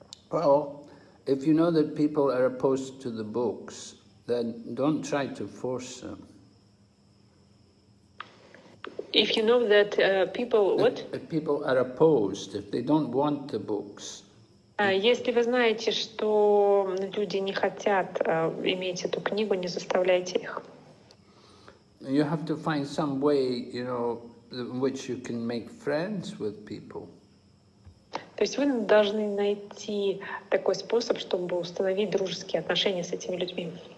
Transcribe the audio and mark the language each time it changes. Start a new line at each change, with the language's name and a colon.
English: Well, if you know that people are opposed to the books, then don't try to force them. If you know that people, what? If people are opposed, if they don't want the books.
Russian: Если вы знаете, что люди не хотят иметь эту книгу, не заставляйте их.
English: You have to find some way, you know, in which you can make friends with people.
Russian: То есть вы должны найти такой способ, чтобы установить дружеские отношения с этими людьми.